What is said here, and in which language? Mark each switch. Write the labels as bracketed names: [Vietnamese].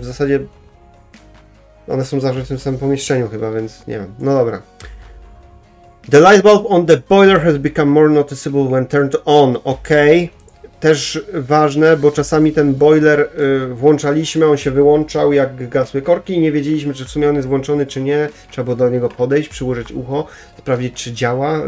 [Polish] W zasadzie one są zawsze w tym samym pomieszczeniu chyba, więc nie wiem. No dobra. [English] The light bulb on the boiler has become more noticeable when turned on. [Polish] Ok. Też ważne, bo czasami ten boiler włączaliśmy, on się wyłączał jak gasły korki i nie wiedzieliśmy, czy w sumie on jest włączony, czy nie. Trzeba było do niego podejść, przyłożyć ucho, sprawdzić, czy działa.